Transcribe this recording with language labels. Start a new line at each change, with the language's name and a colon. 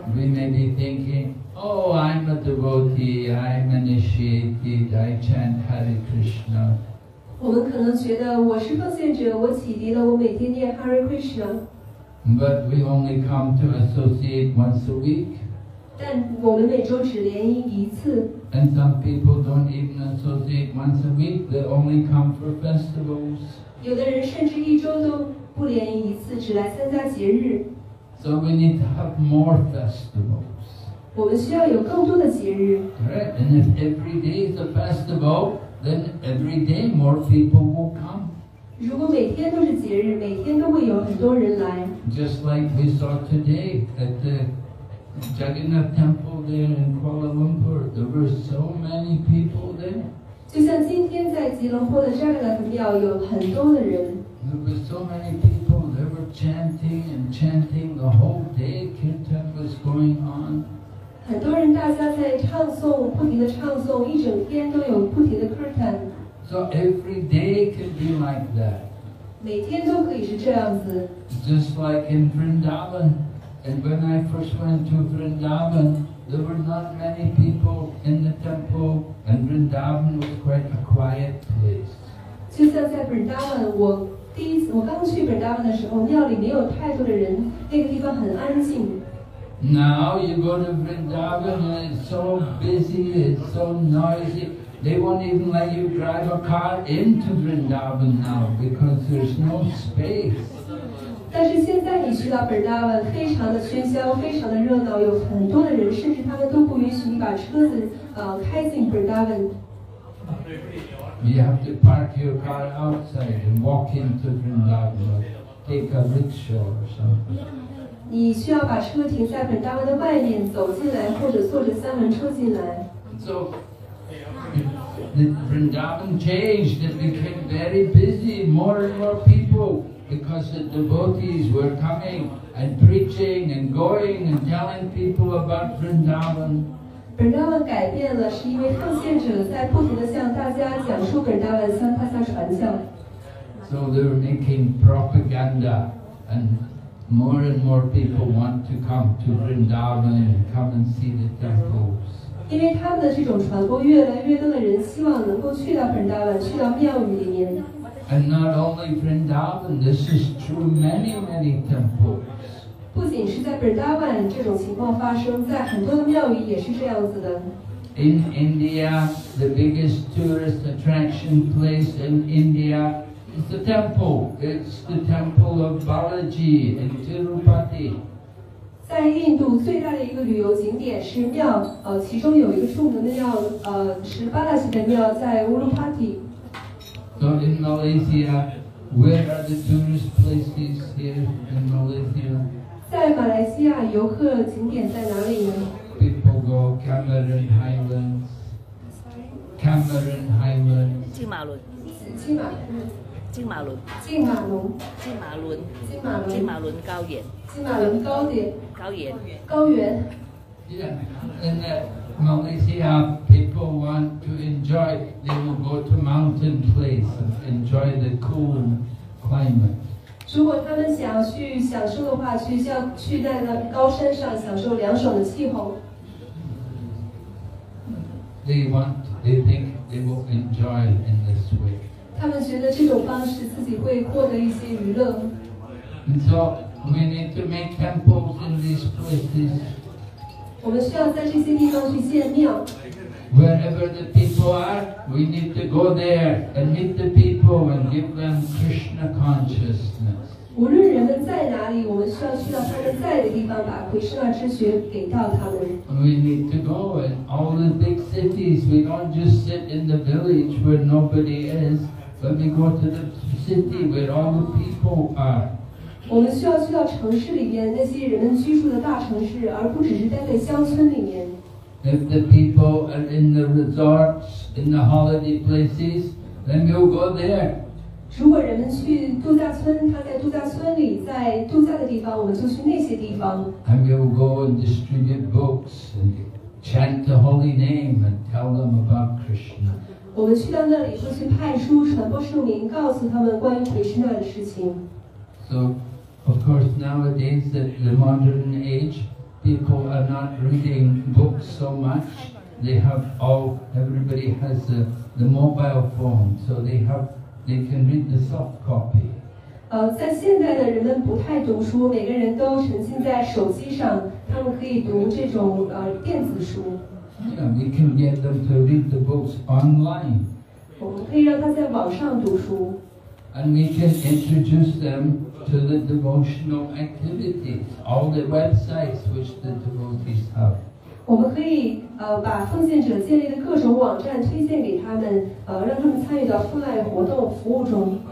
English: We may be thinking, oh, I'm a devotee, I'm initiated, I chant Hare Krishna.
Chinese: 我们可能觉得我是奉献者，我启迪了，我每天念 Hare Krishna.
English: But we only come to associate once a week.
Chinese: 但我们每周只联谊一次。
English: And some people don't even associate once a week. They only come for festivals.
Chinese: 有的人甚至一周都。不联谊一次，只来参加节日。
English: So we need to have more festivals.
Chinese: 我们需要有更多的节日。
English: Right, and if every day is a festival, then every day more people will come.
Chinese: 如果每天都是节日，每天都会有很多人来。
English: Just like we saw today at the Jagannath Temple there in Kuala Lumpur, there were so many people there.
Chinese: 就像今天在吉隆坡的扎格纳寺庙，有很多的人。
English: There were so many people, they were chanting and chanting the whole day, Kirtan was going on.
Chinese: 很多人大家在唱诵，不停地唱诵，一整天都有不停的 Kirtan.
English: So every day could be like that.
Chinese: 每天都可以是这样子。
English: Just like in Vrindavan, and when I first went to Vrindavan, there were not many people in the temple, and Vrindavan was quite a quiet place.
Chinese: 就像在 Vrindavan, 我刚去本达文的时候，庙里没有太多的人，那个地方很安静。
English: Now you go to Vrindavan, it's so busy, it's so noisy. They won't even let you drive a car into Vrindavan now because there's no space.
Chinese: 但是现在你去到本达文，非常的喧嚣，非常的热闹，有很多的人，甚至他们都不允许你把车子开进本达文。
English: You have to park your car outside and walk into Vrindavan, take a rickshaw or something.
Chinese: 你需要把车停在本达文的外面，走进来或者坐着三轮车进来。
English: So, the Vrindavan changed. It became very busy, more and more people, because the devotees were coming and preaching and going and telling people about Vrindavan.
Chinese: 本达文改变了，是因为奉献者在不停地向大家讲述本达文，向大家传教。
English: So they were making propaganda, and more people want to come to Vrindavan and come and see the temples.
Chinese: 因为他们的这种传播，越来越多的人希望能够去到本达文，去到庙宇里面。
English: And not only Vrindavan, this is true many, many temples.
Chinese: 不仅是在本达万这种情况发生，在很多的庙宇也是这样子的。
English: In India, the biggest tourist attraction place in India is the temple. It's the temple of Balaji in Tirupati.
Chinese: 在印度最大的一个旅游景点是庙，其中有一个著名的庙，是巴拉西的庙，在乌鲁帕提。
English: So in Malaysia, where are the tourist places here in Malaysia?
Chinese: 在马来西亚，游客景点在哪里呢
English: ？People go Cameron Highlands. Cameron Highlands.
Chinese: 金马伦。金马伦。金马伦。金马伦。金马伦。金马伦高原。金马伦高原。高原。高原。
English: Yeah, and that Malaysia people want to enjoy, they will go to mountain place and enjoy the cool climate.
Chinese: 如果他们想去享受的话，去在那高山上享受凉爽的气候。
English: They think they will enjoy in this way.
Chinese: 他们觉得这种方式自己会获得一些娱乐。
English: And so we need to make temples in these places.
Chinese: 我们需要在这些地方去建庙。
English: Wherever the people are, we need to go there and meet the people and give them Krishna consciousness.
Chinese: 无论人们在哪里，我们需要去到他们在的地方，把奎师那之学给到他们。
English: We need to go in all the big cities. We don't just sit in the village where nobody is, but we go to the city where all the people are.
Chinese: 我们需要去到城市里面那些人们居住的大城市，而不只是待在乡村里面。
English: If the people are in the resorts, in the holiday places, then we'll go there.
Chinese: 如果人们去度假村，他在度假村里，在度假的地方，我们就去那些地方。
English: And we will go and distribute books and chant the holy name and tell them about Krishna.
Chinese: 我们去到那里，就去派书传播圣名，告诉他们关于 Krishna 的事情。
English: So, of course, nowadays that the modern age, people are not reading books so much. They have all. Everybody has the mobile phone, so they have. They can read the soft copy.
Chinese: 在现在的人们不太读书，每个人都沉浸在手机上，他们可以读这种电子书。
English: Yeah, we can get them to read the books online.
Chinese: 我们可以让他在网上读书。
English: And we can introduce them to the devotional activities, all the websites which the devotees have.
Chinese: 我们可以把奉献者建立的各种网站推荐给他们，让他们参与到户外活动服务中。